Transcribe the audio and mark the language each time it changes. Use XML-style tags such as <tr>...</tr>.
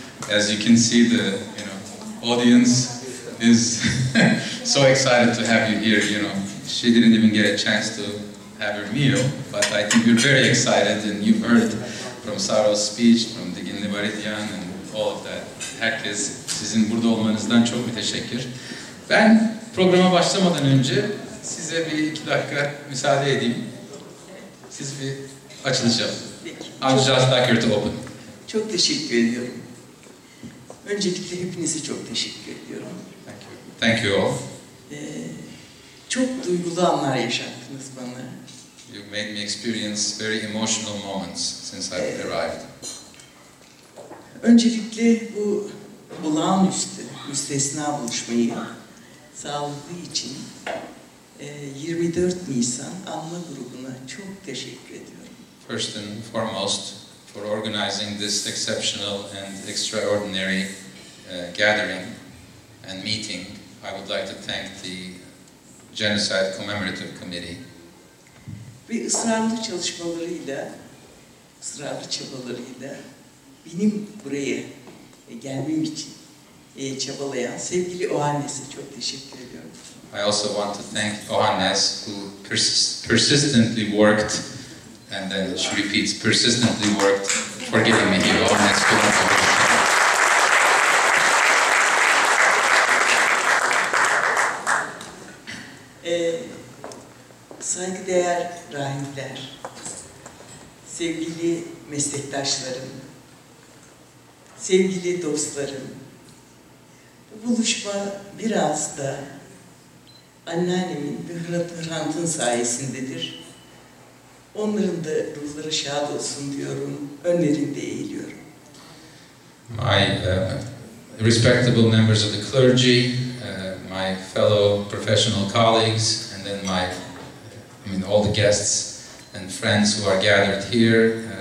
<en>As you can see, the audience is so excited to have you here. You know, she didn't even get a chance to have her meal, but I think you're very excited, and you heard from Saro's speech, from Diginli Baridyan, and all of that.</en> <tr>Herkes sizin burada olmanızdan çok teşekkür. Ben programa başlamadan önce size bir iki dakika müsaade edeyim. Siz bir açılış yapın.</tr> <en>I'm just back here to open.</en> <tr>Çok teşekkür ediyorum. Öncelikle hepinize çok teşekkür ediyorum.</tr> <en>Thank you. Thank you all.</en> <tr>Çok duygulu anlar yaşattınız bana.</tr> <en>You made me experience very emotional moments since I arrived.</en> <tr>Öncelikle bu olağanüstü, müstesna buluşmayı sağladığı için 24 Nisan Anma Grubu'na çok teşekkür ediyorum.</tr> <en>First and foremost, for organizing this exceptional and extraordinary gathering and meeting, I would like to thank the Genocide Commemorative Committee.</en> <tr>Ve ısrarlı çalışmalarıyla, ısrarlı çabalarıyla benim buraya gelmem için çabalayan sevgili Ohannes'e çok teşekkür ediyorum.</tr> <en>I also want to thank Ohannes, who persistently worked. And then she repeats, persistently worked for getting me here. Our next question.</en> <tr>Saygıdeğer rahipler, sevgili meslektaşlarım, sevgili dostlarım, bu buluşma biraz da anneannemin ve Hrant'ın sayesindedir. Onların da ruhları şad olsun diyorum, önlerinde eğiliyorum.</tr> <en>My respectable members of the clergy, my fellow professional colleagues, and then all the guests and friends who are gathered here.</en>